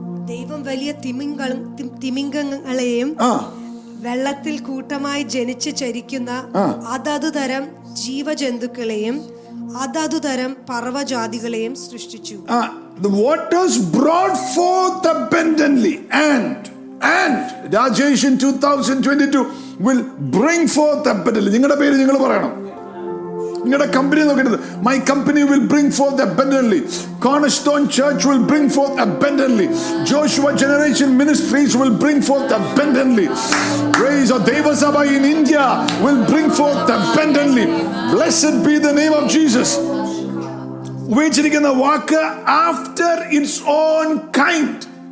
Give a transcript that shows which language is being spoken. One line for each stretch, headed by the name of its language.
Malayalam: ദൈവം വലിയ തിമിംഗലങ്ങളെയും വെള്ളത്തിൽ കൂട്ടമായി ജനിച്ച് ചരിക്കുന്ന അതത് തരം ജീവജന്തുക്കളെയും അതത് തരം പർവ്വജാതികളെയും സൃഷ്ടിച്ചു.
English: The waters brought forth abundantly and Rajesh in 2022 will bring forth abundantly.
Malayalam: നിങ്ങളുടെ പേര് നിങ്ങൾ പറയണം. നിങ്ങളുടെ കമ്പനി നോക്കിയത്,
English: my company will bring forth abundantly. Cornerstone Church will bring forth abundantly. Joshua Generation Ministries will bring forth abundantly. Praise our Deva Sabha in India will bring forth abundantly. Blessed be the name of Jesus.
Malayalam: ഉപയോഗിച്ചിരിക്കുന്ന വാക്ക്
English: After its own kind.